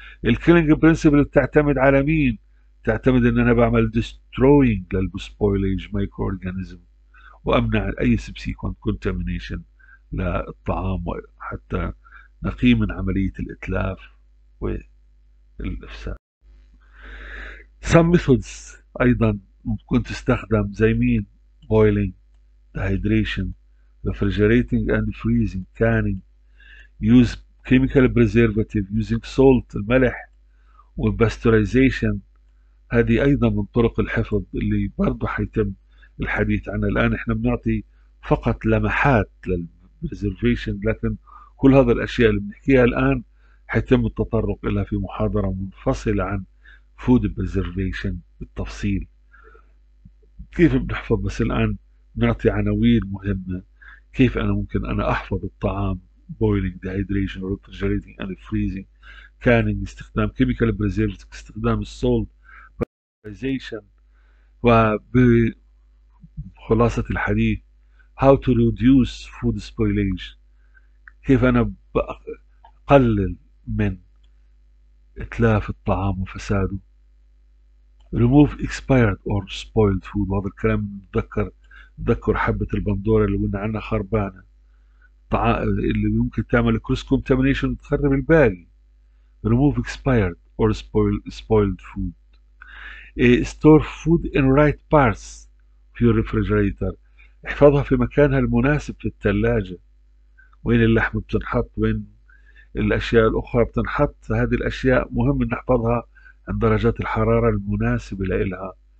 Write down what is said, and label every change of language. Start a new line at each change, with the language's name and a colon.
Arabic: الكيلينج برنسبل تعتمد على مين؟ تعتمد ان انا بعمل ديستروينج للسبويليج مايكرو اورجانيزم، وامنع اي سبسيكونت كونتامينيشن للطعام، وحتى نقي من عمليه الاتلاف والافساد.
English: Some methods
Arabic: ايضا ممكن تستخدم زي مين؟
English: boiling, dehydration, refrigerating and freezing, canning, use chemical preservative, using salt الملح والباستوريزيشن.
Arabic: هذه ايضا من طرق الحفظ اللي برضه حيتم الحديث عنها. الان احنا بنعطي فقط لمحات للبريزرفيشن، لكن كل هذه الاشياء اللي بنحكيها الان حيتم التطرق لها في محاضره منفصله عن فود بريزرفيشن بالتفصيل. كيف بنحفظ؟ بس الان نعطي عناوين مهمه، كيف انا ممكن انا احفظ الطعام؟ بويلينج، ديهايدريشن، ريفريجريتنج اند فريزنج، كاننج، استخدام كيميكال بريزرفيتيف، استخدام السولت، باستوريزيشن. وبخلاصه الحديث، هاو تو ريديوس فود سبويليج، كيف انا بقلل من اتلاف الطعام وفساده.
English: Remove expired or spoiled food،
Arabic: وهذا الكلام نتذكر حبة البندورة اللي قلنا عنها خربانة، اللي ممكن تعمل cross contamination وتخرب الباقي.
English: Remove expired or spoiled food. Store food in right parts of your refrigerator،
Arabic: احفظها في مكانها المناسب في الثلاجة. وين اللحم بتنحط؟ وين الأشياء الأخرى بتنحط، هذه الأشياء مهم نحفظها عند درجات الحرارة المناسبة لإلها.